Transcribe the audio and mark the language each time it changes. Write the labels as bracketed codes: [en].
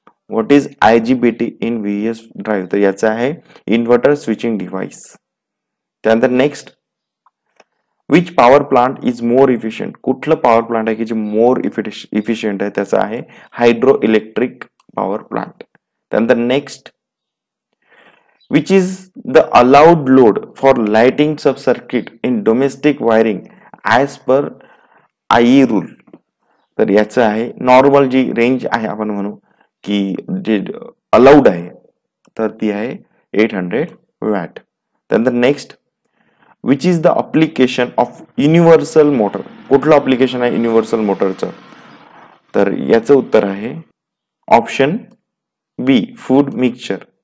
[en] what is IGBT in VF drive, [mr] तर याचं आहे [en] Inverter switching device. त्यानंतर next, which power plant is more efficient. [mr] कुठलं पॉवर प्लांट आहे की जे मोर इफिशियंट आहे, त्याचं आहे हायड्रो इलेक्ट्रिक पॉवर प्लांट. [en] त्यानंतर next, which is the allowed load for lighting sub circuit in domestic wiring as per IE rule. [mr] तर याचं आहे नॉर्मल जी रेंज आहे आपण म्हणू की जे अलाउड आहे, तर ती आहे 800 वॅट. [en] त्यानंतर next, which is the application of universal motor. [mr] कुठलं अप्लिकेशन आहे युनिव्हर्सल मोटरचं, तर याचं उत्तर आहे ऑप्शन बी फूड मिक्सचर.